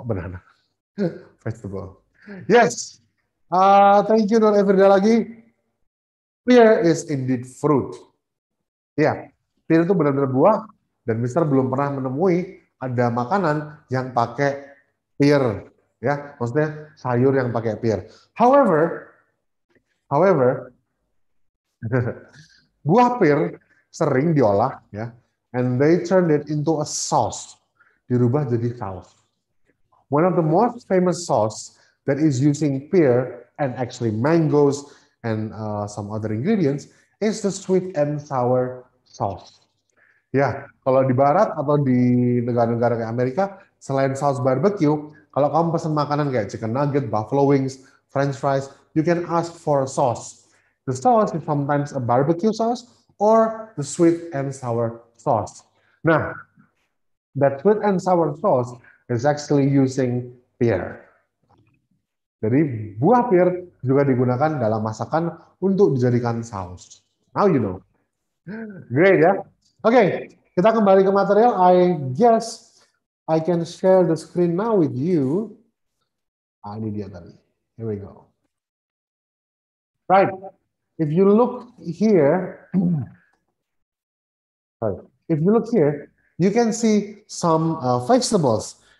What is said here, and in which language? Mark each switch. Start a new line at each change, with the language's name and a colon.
English: Oh, banana. Vegetable. Yes. Thank you, Nur Everda lagi. Pear is indeed fruit. Ya, yeah.
Indonesian: Pear itu benar-benar buah, dan Mister belum pernah menemui ada makanan yang pakai pear. Ya, yeah. Maksudnya sayur yang pakai pear.
English: However,
Indonesian: buah pear sering diolah, ya,
English: yeah, and they turned it into a sauce.
Indonesian: Dirubah jadi saus.
English: One of the most famous sauce that is using pear and actually mangoes and some other ingredients is the sweet and sour sauce.
Indonesian: Ya, yeah, kalau di barat atau di negara-negara kayak Amerika, selain saus barbecue, kalau kamu pesan makanan kayak chicken nugget, buffalo wings, french fries,
English: you can ask for a sauce. The sauce is sometimes a barbecue sauce or the sweet and sour sauce. Nah, that sweet and sour sauce is actually using pear.
Indonesian: Jadi buah pear juga digunakan dalam masakan untuk dijadikan saus.
English: Now you know. Great, ya? Okay,
Indonesian: kita kembali ke material.
English: I guess I can share the screen now with you.
Indonesian: Ah, ini dia tadi.
English: Here we go. Right. If you look here, if you look here, you can see some vegetables.